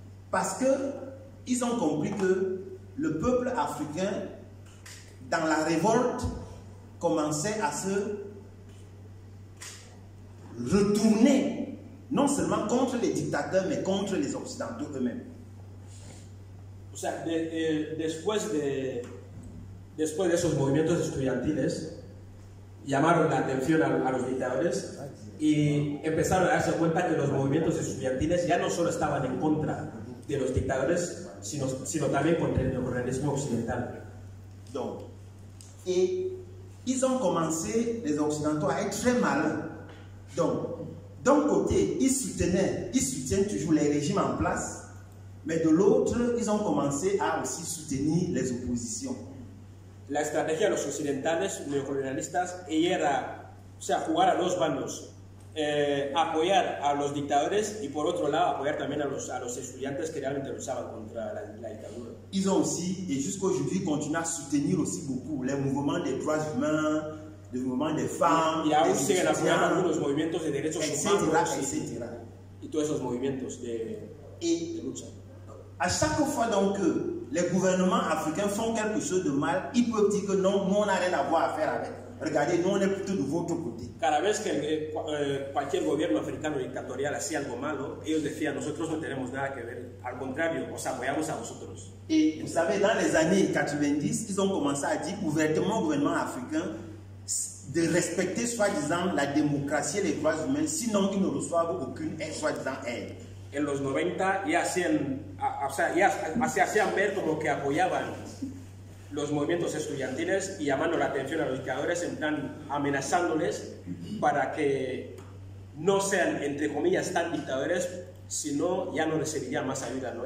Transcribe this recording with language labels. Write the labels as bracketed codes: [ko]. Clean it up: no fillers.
[fr] Parce qu'ils ont compris que le peuple africain, dans la révolte, commençait à se retourner, non seulement contre les dictateurs, mais contre les Occidentaux eux-mêmes. [es] O sea, después de esos movimientos estudiantiles, llamaron la atención a los dictadores y empezaron a darse cuenta que los movimientos estudiantiles ya no solo estaban en contra de los dictadores, sino también contra el neocolonialismo occidental. [fr] Donc, et ils ont commencé, les occidentaux, à être très malins. Donc, d'un côté, ils soutiennent toujours les régimes en place, mais de l'autre, ils ont commencé à aussi soutenir les oppositions. [es] La estrategia de los occidentales neocolonialistas era, jugar a dos bandos, apoyar a los dictadores y por otro lado apoyar también a los estudiantes que realmente luchaban contra la, la dictadura. [fr] Ils ont aussi et jusqu'à aujourd'hui continuent à soutenir aussi beaucoup les mouvements des droits humains, les mouvements des femmes, [es] y aún siguen apoyando algunos movimientos de derechos humanos, etcétera, y todos esos movimientos de, et, de lucha. [fr] À chaque fois donc que les gouvernements africains font quelque chose de mal, ils peuvent dire que non, nous on n'a rien à voir à faire avec. Regardez, nous on est plutôt de votre côté. [es] Cada vez que cualquier gobierno africano dictatorial hacía algo malo, ellos decían, nosotros no tenemos nada que ver. Al contrario, os apoyamos a vosotros. [fr] Et vous savez, dans les années 90, ils ont commencé à dire ouvertement au gouvernement africain de respecter soi-disant la démocratie et les droits humains, sinon ils ne reçoivent aucune aide, soi-disant aide. [es] En los 90 ya hacían, o sea, ya se hacían ver como que apoyaban los movimientos estudiantiles y llamando la atención a los dictadores, en plan amenazándoles para que no sean, entre comillas, tan dictadores, sino ya no recibirían más ayuda, ¿no?